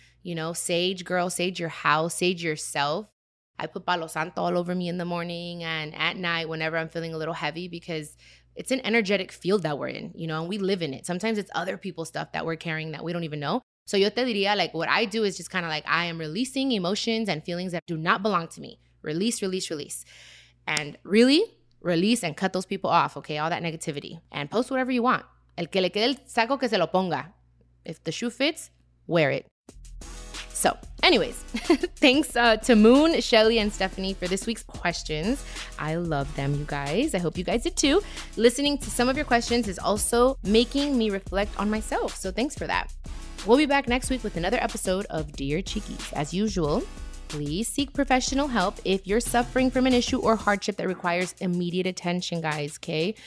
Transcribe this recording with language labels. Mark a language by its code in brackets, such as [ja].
[en] You know, sage, girl, sage your house, sage yourself. I put Palo Santo all over me in the morning and at night whenever I'm feeling a little heavy, because it's an energetic field that we're in, you know, and we live in it. Sometimes it's other people's stuff that we're carrying that we don't even know. So [es] yo te diría, [en] like, what I do is just kind of like, I am releasing emotions and feelings that do not belong to me. Release, release, release. And really, release and cut those people off, okay? All that negativity. And post whatever you want. [es] El que le quede el saco, que se lo ponga. [en] If the shoe fits, wear it. So, anyways, thanks to Moon, Shelly, and Stephanie for this week's questions. I love them, you guys. I hope you guys did too. Listening to some of your questions is also making me reflect on myself. So thanks for that. We'll be back next week with another episode of Dear Cheekies. As usual, please seek professional help if you're suffering from an issue or hardship that requires immediate attention, guys, okay?